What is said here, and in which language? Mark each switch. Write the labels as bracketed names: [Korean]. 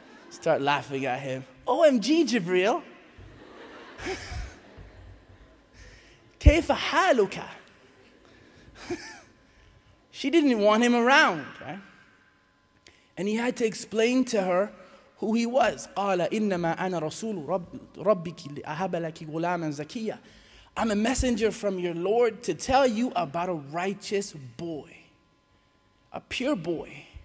[English] Start laughing at him. OMG, Jibreel. [Arabic] كيف حالك? [English] She didn't want him around, right? And he had to explain to her who he was. [Arabic] قال إنما أنا رسول ربك لأهب لك غلاما زكيا. [English] I'm a messenger from your Lord to tell you about a righteous boy, a pure boy.